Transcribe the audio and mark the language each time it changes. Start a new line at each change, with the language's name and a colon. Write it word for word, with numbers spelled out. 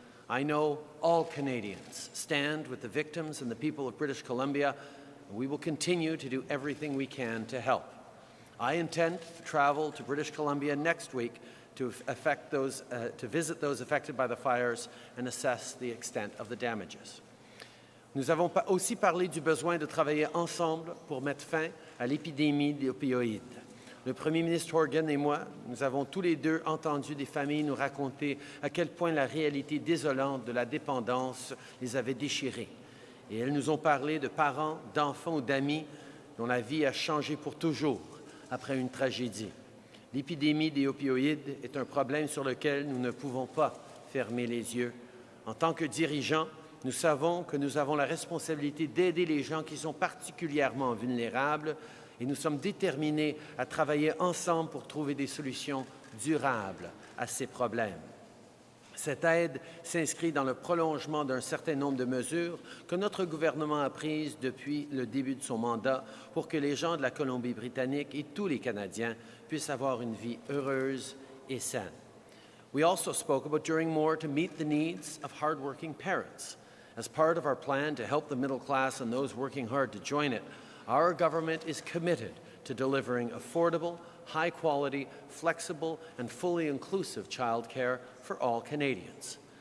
English: I know all Canadians stand with the victims and the people of British Columbia, and we will continue to do everything we can to help. I intend to travel to British Columbia next week to affect those, uh, to visit those affected by the fires and assess the extent of the damages.
French: Nous avons aussi parlé du besoin de travailler ensemble pour mettre fin à l'épidémie d'opioïdes. Le Premier ministre Horgan et moi, nous avons tous les deux entendu des familles nous raconter à quel point la réalité désolante de la dépendance les avait déchirées. Et elles nous ont parlé de parents, d'enfants ou d'amis dont la vie a changé pour toujours après une tragédie. L'épidémie des opioïdes est un problème sur lequel nous ne pouvons pas fermer les yeux. En tant que dirigeants, nous savons que nous avons la responsabilité d'aider les gens qui sont particulièrement vulnérables et nous sommes déterminés à travailler ensemble pour trouver des solutions durables à ces problèmes. Cette aide s'inscrit dans le prolongement d'un certain nombre de mesures que notre gouvernement a prises depuis le début de son mandat pour que les gens de la Colombie-Britannique et tous les Canadiens puissent avoir une vie heureuse et saine.
English: We also spoke about doing more to meet the needs of hardworking parents. As part of our plan to help the middle class and those working hard to join it, our government is committed to delivering affordable, high-quality, flexible, and fully inclusive childcare for all Canadians.